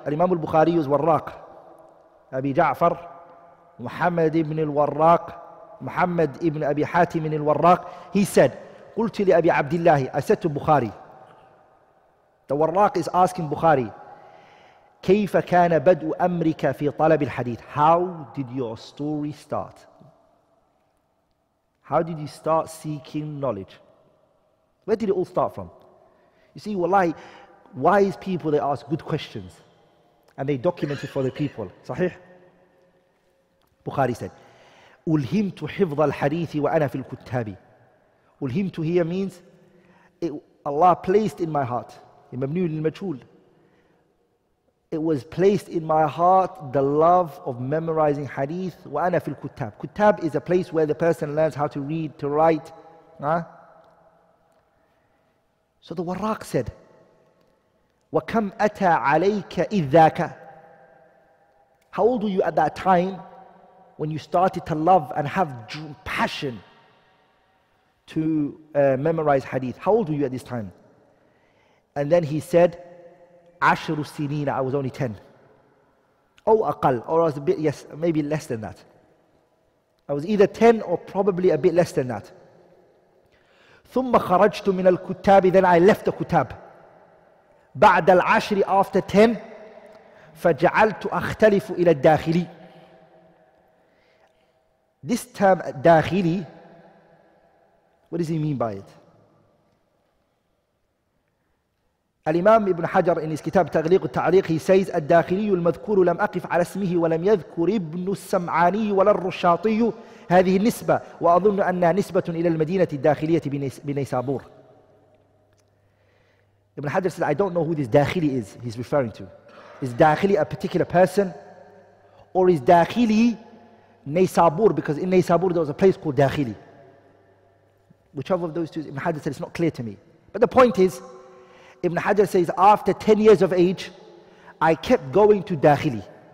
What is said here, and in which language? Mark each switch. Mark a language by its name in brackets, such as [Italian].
[English] Al-Imam al-Bukhari is Warraq. Abi Ja'far Muhammad ibn al-Warraq, Muhammad ibn Abi Hatim ibn al-Warraq, he said, [Arabic] قلت لأبي عبد الله, [English] I said to Bukhari, the Warraq is asking Bukhari, [Arabic] كيف كان بدء أمرك في طلب الحديث? [English] How did your story start? How did you start seeking knowledge? Where did it all start from? You see, wallahi, wise people, they ask good questions and they document it for the people. Sahih? Bukhari said, [Arabic] ألهمت حفظ الحديث وأنا في الكتاب. [English] ألهمت here means Allah placed in my heart. [Arabic] مبني للمجهول. [English] It was placed in my heart the love of memorizing hadith [Arabic] وأنا في الكتاب. [English] كتاب is a place where the person learns how to read, to write. So the Warraq said, [Arabic] وكم أتى عليك إذ ذاك. [English] How old were you at that time when you started to love and have passion to memorize hadith? How old were you at this time? And then he said, [Arabic] Ashru sinina, [English] I was only 10. Oh, aqal, or I was a bit, yes, maybe less than that. I was either 10 or probably a bit less than that. [Arabic] Thumma kharajtu min al-kutabi, [English] then I left the kutab. [Arabic] Ba'd al-ashri, [English] after 10, [Arabic] faj'altu akhtalifu ila al-dakhili. [English] This term, dakhili, what does he mean by it? Al-Imam Ibn Hajar in his kitab Taghliq al-Ta'liq, he says, [Arabic] الداخلي المذكور لم أقف على اسمه ولم يذكر ابن السمعاني ولا الرشاطي هذه النسبة وأظن أنها نسبة إلى المدينة الداخلية بنيسابور. [English] Ibn Hajar said, I don't know who this داخلي is he's referring to. Is داخلي a particular person? Or is داخلي نيسابور? Because in نيسابور there was a place called داخلي. Whichever of those two, Ibn Hajar said, it's not clear to me. But the point is, Ibn Hajar says, after 10 years of age, I kept going to داخلي.